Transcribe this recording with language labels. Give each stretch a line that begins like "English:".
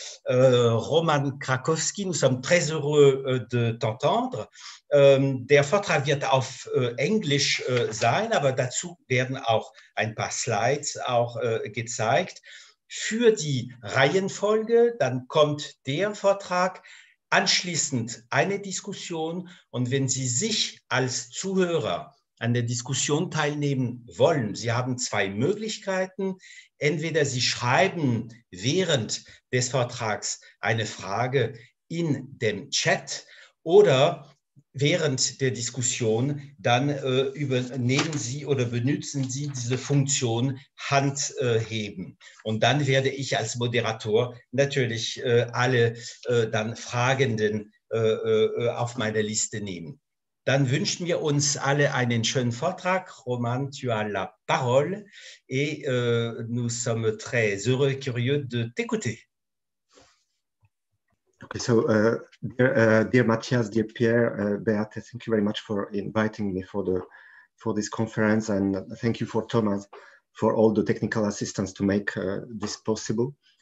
French: Roman Krakowski, nous sommes très heureux de t'entendre.
German: Der Vortrag wird auf Englisch sein, aber dazu werden auch ein paar Slides auch gezeigt. Für die Reihenfolge, dann kommt der Vortrag, anschließend eine Diskussion. Und wenn Sie sich als Zuhörer an der Diskussion teilnehmen wollen, Sie haben zwei Möglichkeiten. Entweder Sie schreiben während des Vortrags eine Frage in dem Chat oder während der Diskussion, dann übernehmen Sie oder benutzen Sie diese Funktion Hand heben. Und dann werde ich als Moderator natürlich alle dann Fragenden auf meiner Liste nehmen. Dann wünschen wir uns alle einen schönen Vortrag.
French: Roman, tu as la parole. Et nous sommes très heureux, curieux de t'écouter.
English: Okay, so dear Matthias, dear Pierre, Beate, thank you very much for inviting me for this conference, and thank you for Thomas for all the technical assistance to make this possible.